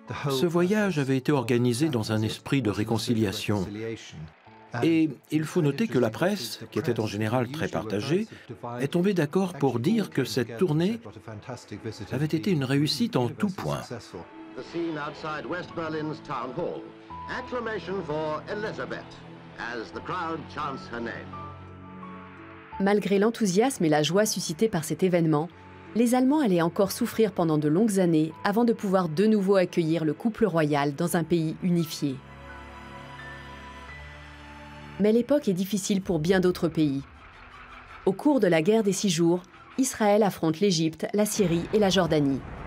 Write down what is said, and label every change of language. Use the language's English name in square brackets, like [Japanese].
[French] Ce voyage avait été organisé dans un esprit de réconciliation. Et il faut noter que la presse, qui était en général très partagée, est tombée d'accord pour dire que cette tournée avait été une réussite en tout point. [English] The scene outside West Berlin's town hall. Acclamation for Elizabeth, as the crowd chants her name. [French] Malgré l'enthousiasme et la joie suscitée par cet événement, les Allemands allaient encore souffrir pendant de longues années avant de pouvoir de nouveau accueillir le couple royal dans un pays unifié. Mais l'époque est difficile pour bien d'autres pays. Au cours de la guerre des Six Jours, Israël affronte l'Égypte, la Syrie et la Jordanie.